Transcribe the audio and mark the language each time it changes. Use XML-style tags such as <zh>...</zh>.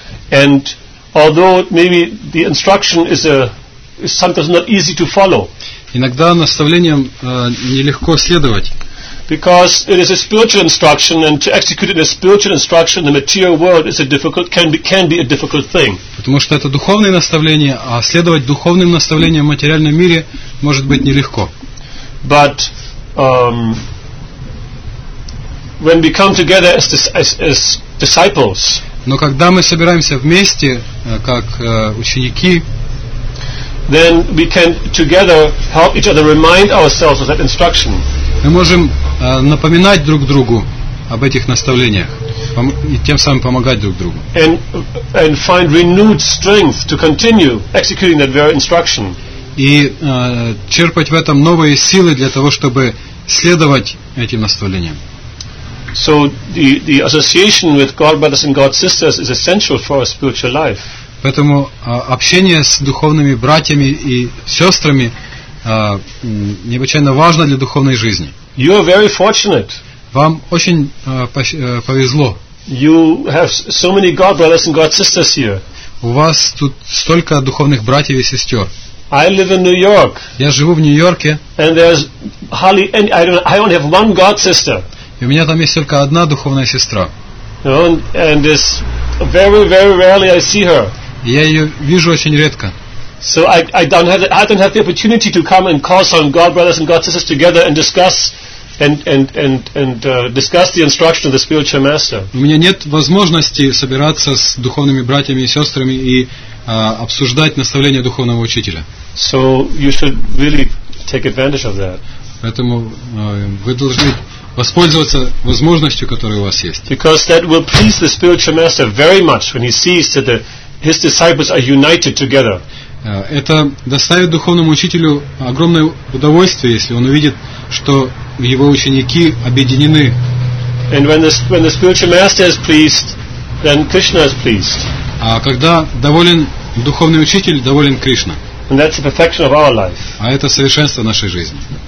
<en>And although maybe the instruction is sometimes not easy to follow.</en> <ru>Иногда наставлениям нелегко следовать.</ru> <en>Because it is a spiritual instruction, and to execute it in a spiritual instruction, the material world is a difficult can be a difficult thing.</en> <ru>Потому что это духовные наставления, а следовать духовным наставлениям в материальном мире может быть нелегко.</ru> <en>But when we come together as disciples.</en> <ru>Но когда мы собираемся вместе как ученики.</ru> <en>Then we can together help each other remind ourselves of that instruction.</en> <ru>Мы можем напоминать друг другу об этих наставлениях и тем самым помогать друг другу.</ru> <en>And find renewed strength to continue executing that very instruction.</en> <ru>И черпать в этом новые силы для того, чтобы следовать этим наставлениям.</ru> <en>So the association with God brothers and God sisters is essential for our spiritual life.</en> <ru>Поэтому общение с духовными братьями и сестрами необычайно важно для духовной жизни.</ru> <en>You are very fortunate.</en> <ru>Вам очень повезло.</ru> <en>You have so many God brothers and God sisters here.</en> <ru>У вас тут столько духовных братьев и сестер.</ru> <en>I live in New York.</en> <ru>Я живу в Нью-Йорке.</ru> <en>And there's hardly any. I only have one God sister.</en> <ru>И у меня там есть только одна духовная сестра.</ru> <en>And it's very, very rarely I see her.</en> <ru>Я ее вижу очень редко.</ru> <en>So I don't have the opportunity to come and call some God brothers and God sisters together and discuss the instruction of the spiritual master.</en> <ru>У меня нет возможности собираться с духовными братьями и сестрами и обсуждать наставления духовного учителя.</ru> <en>So you should really take advantage of that.</en> <ru>Поэтому вы должны воспользоваться возможностью, которая у вас есть.</ru> <en>Because that will please the spiritual master very much when he sees that the His disciples are united together.</en> <ru>Это доставит духовному учителю огромное удовольствие, если он увидит, что его ученики объединены.</ru> <en>And when the spiritual master is pleased, then Krishna is pleased.</en> <ru>А когда доволен духовный учитель, доволен Кришна.</ru> <en>And that's the perfection of our life.</en> <ru>А это совершенство нашей жизни.</ru>